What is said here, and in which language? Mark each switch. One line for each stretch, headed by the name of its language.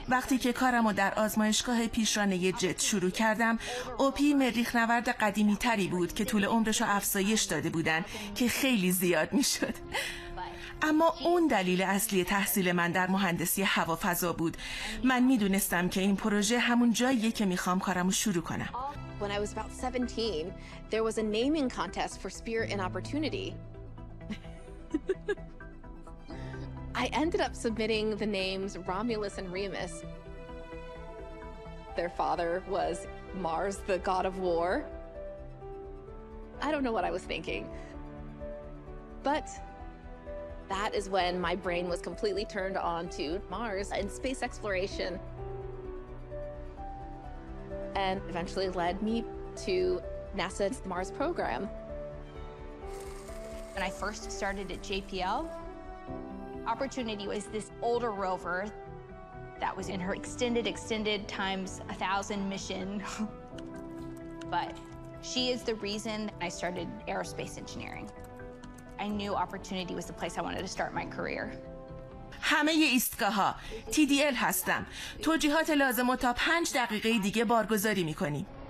Persian: وقتی که کارمو در آزمایشگاه پیشرانه جت شروع کردم، اوپی مریخ نورد قدیمی تری بود که طول عمرشو افزایش داده بودن که خیلی زیاد میشد. اما اون دلیل اصلی تحصیل من در مهندسی هوافضا بود. من می دونستم که این پروژه همون جاییه که می خوام کارمو شروع کنم.
English: When I was about 17, there was a naming contest for Spirit and Opportunity. I ended up submitting the names Romulus and Remus. Their father was Mars, the god of war. I don't know what I was thinking. But that is when my brain was completely turned on to Mars and space exploration, and eventually led me to NASA's Mars program. When I first started at JPL, Opportunity was this older rover that was in her extended times 1,000 mission. But she is the reason I started aerospace engineering. I knew Opportunity was the place I wanted to start my career.
Persian: همه ایستگاه ها. تی دی ال هستم. توجیهات لازم و تا 5 دقیقه دیگه بارگذاری میکنیم.